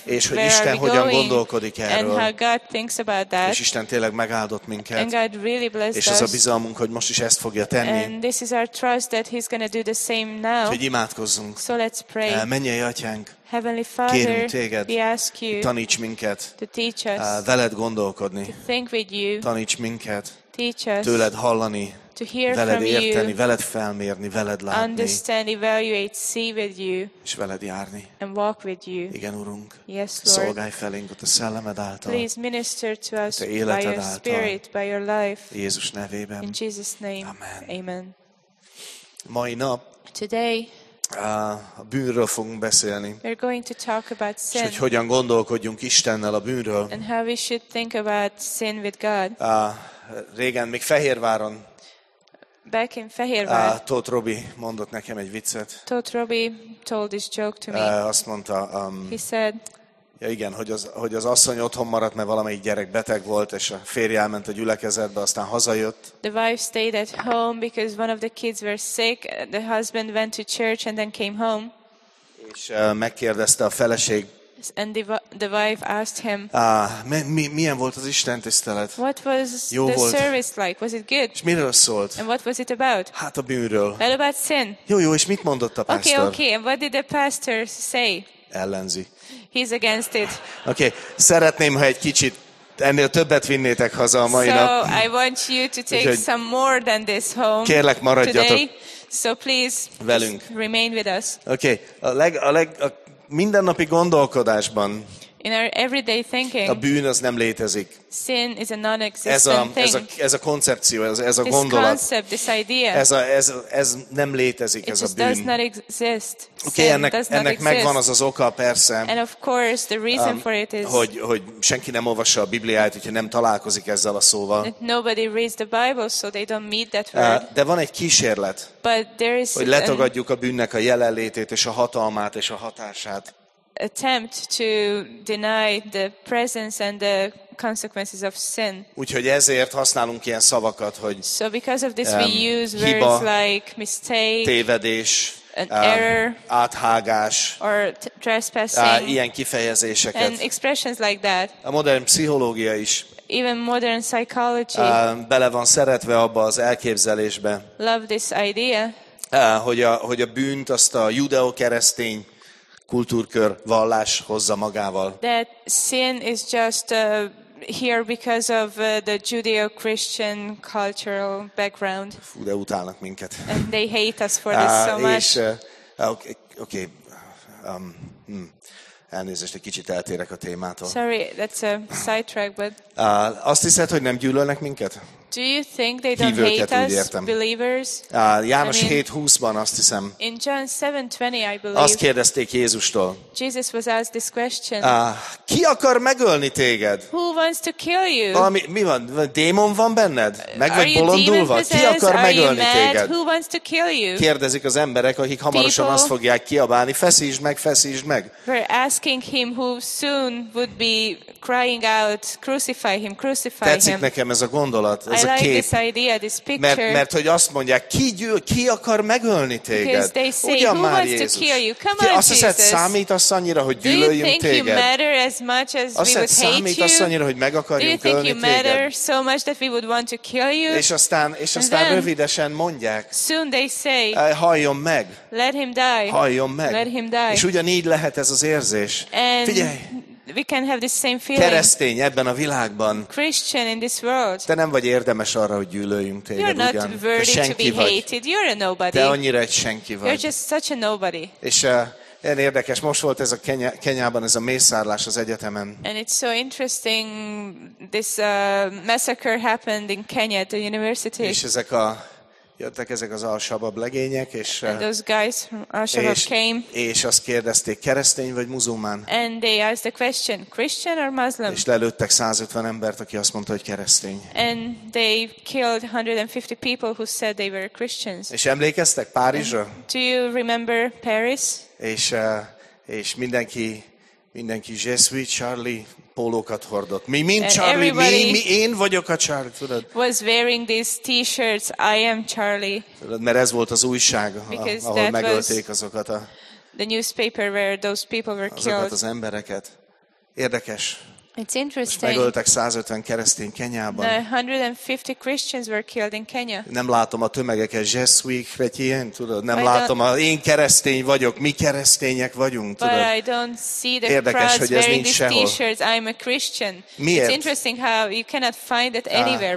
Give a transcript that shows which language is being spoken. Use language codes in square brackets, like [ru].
[hu] és hogy Isten hogyan gondolkodik erről. [en] And how God thinks about that. [hu] És Isten tényleg megáldott minket. [en] And God really blessed [hu] és ez a bizalmunk, hogy most is ezt fogja tenni. [en] And this is our trust that he's gonna do the same now. [hu] Úgyhogy imádkozzunk. [en] So let's pray. [hu] Mennyei Atyánk, [en] Heavenly Father, [hu] kérünk téged, [en] we ask you, [hu] taníts minket, [en] to teach us, [hu] veled gondolkodni, [en] to think with you, [hu] taníts minket, [en] teach us, [hu] tőled hallani, [en] to hear [hu] veled [en] from [hu] érteni, [en] you, [hu] veled felmérni, veled látni, [en] understand, evaluate, see with you, [hu] és veled járni, [en] and walk with you. [hu] Igen, Urunk, [en] yes, Lord, [hu] szolgálj felénk a te szellemed által, [en] please minister to us [hu] te életed [en] by your [hu] által, [en] spirit, by your life, [hu] Jézus nevében. [en] In Jesus' name. [hu] Amen. [en] Amen. [hu] Mai nap, [en] today, [hu] a bűnről fogunk beszélni. [en] We're going to talk about sin. [hu] És hogy hogyan gondolkodjunk Istennel a bűnről. [en] And how we should think about sin with God. [hu] Régen még Fehérváron. [en] Back in Fehérvár. [hu] Tóth Robi mondott nekem egy viccet. [en] Tóth Robi told this joke to me. [hu] Azt mondta. [en] He said. [hu] Ja igen, hogy az asszony otthon maradt, mert valamelyik gyerek beteg volt, és a férje elment a gyülekezetbe, aztán hazajött. [en] The wife stayed at home because one of the kids were sick. The husband went to church and then came home. [hu] És megkérdezte a feleség. [en] And the wife asked him. [hu] Milyen volt az Isten tisztelet? [en] What was [hu] jó [en] the [hu] volt. [en] Service like? Was it good? [hu] És miről szólt? [en] And what was it about? [hu] Hát a bűnről. [en] What about sin? [hu] Jó, és mit mondott a pásztor? [en] Okay, and what did the pastor say? [hu] Ellenzi. [en] He's against it. [hu] Okay, szeretném, ha egy kicsit ennél többet vinnétek haza a mai [en] so [hu] nap. [en] So I want you to take some more than this home. [hu] Kérlek, maradjatok. [en] Today. So please [hu] velünk. [en] Remain with us. [hu] Okay, a mindennapi gondolkodásban. [en] In our everyday thinking. [hu] A bűn az nem létezik. [en] Sin is a non-existent [hu] ez a, [en] thing. [hu] Ez a koncepció, ez a [en] this [hu] gondolat. [en] This concept, this idea. [hu] Ez nem létezik, [en] it [hu] ez a bűn. [en] It just does not exist. Okay, sin [hu] ennek, [en] does not [hu] ennek [en] exist. [hu] Megvan az az oka, persze. [en] And of course, the reason for it is. [hu] Hogy senki nem olvassa a Bibliát, hogyha nem találkozik ezzel a szóval. [en] That nobody reads the Bible, so they don't meet that word. [hu] De van egy kísérlet. [en] But there is. [hu] Hogy letagadjuk a bűnnek a jelenlétét és a hatalmát és a hatását. [en] Attempt to deny the presence and the consequences of sin. [hu] Úgyhogy ezért használunk ilyen szavakat, hogy [en] so because of this we use [hu] hiba, [en] words like mistake, [hu] tévedés, [en] an error, [hu] áthágás, [en] or trespassing, [hu] ilyen kifejezéseket. [en] And expressions like that. [hu] A modern pszichológia is. [en] Even modern psychology. [hu] Bele van szeretve abba az elképzelésbe. [en] Love this idea. [hu] Hogy a bűnt azt a judeo-keresztény kultúrkör vallás hozza magával. [en] That sin is just here because of the Judeo-Christian cultural background. [hu] Fú, de utálnak minket. [en] And they hate us for this so much. [hu] Elnézést, egy kicsit eltérek a témától. [en] Sorry, that's a sidetrack, but. [hu] Azt hiszed, hogy nem gyűlölnek minket? [en] Do you think they don't [hu] hívőket, [en] hate us, believers? [hu] János 7:20-ban azt hiszem. [en] In John 7:20, I believe. [hu] Azt kérdezték Jézustól. [en] Jesus was asked this question. [hu] Ki akar megölni téged? [en] Who wants to kill you? [hu] Valami, mi van? Démon van benned? Meg vagy bolondulva? Ki akar megölni téged? [en] Who wants to kill you? [hu] Kérdezik az emberek, akik hamarosan [en] people [hu] azt fogják kiabálni, feszítsd meg, feszítsd meg. [en] We're asking him who soon would be crying out, crucify him, crucify [hu] tetszik [en] him. [hu] Tetszik nekem ez a gondolat. ez a kép. [en] This idea, this picture, [hu] mert hogy azt mondják, ki akar megölni téged? Ugyan már Jézus. [en] Come on, [hu] azt hiszed, számítasz annyira, hogy gyűlöljünk téged? Azt hiszed, számítasz annyira, hogy meg akarjuk ölni téged? [en] So much that we would want to kill you? [hu] És aztán [en] then, [hu] rövidesen mondják, [en] soon they say, [hu] halljon meg! [en] Let him die. [hu] Halljon meg! [en] Let him die. [hu] És ugyanígy lehet ez az érzés. [en] And [hu] figyelj! [en] We can have the same feeling. [hu] Keresztény ebben a világban. [en] Christian in this world. [hu] Te nem vagy érdemes arra, hogy gyűlöljünk téged. [en] You're not [hu] ugyan. [en] Worthy [hu] senki [en] to be [hu] vagy. [en] Hated. You're a nobody. [hu] Te annyira egy senki vagy. [en] You're just such a nobody. [hu] És ilyen érdekes, most volt ez a Kenyában ez a mészárlás az egyetemen. [en] And it's so interesting this massacre happened in Kenya at the university. [hu] És ezek a jöttek ezek az Al-Shabaab legények, és [en] and those guys from Al-Shabaab came. [hu] És azt kérdezték, keresztény vagy muzulmán? [en] And they asked the question, Christian or Muslim? [hu] És lelőttek 150 embert, aki azt mondta, hogy keresztény. [en] And they killed 150 people who said they were Christians. [hu] És emlékeztek Párizsra? [en] Do you remember Paris? [hu] És mindenki [fr] Je suis Charlie [hu] pólókat hordott. Mi, mint Charlie, mi én vagyok a Charlie, tudod? [en] Was wearing these t-shirts, I am Charlie. [hu] Tudod, mert ez volt az újság, ahol megölték azokat a... [en] The newspaper where those people were [hu] azokat [en] killed. [hu] Az embereket. Érdekes. [en] It's interesting. [hu] Most megöltek 150 keresztény Kenyában. [en] 150 Christians were killed in Kenya. [hu] Nem látom a tömegeket, [fr] Je suis chrétien, [hu] tudod? Nem látom, én keresztény vagyok, mi keresztények vagyunk, tudod? [en] But I don't see the [hu] érdekes, hogy ez nincs sehol. [en] T-shirts, I'm a Christian. [hu] Miért? [en] It's interesting how you cannot find it anywhere.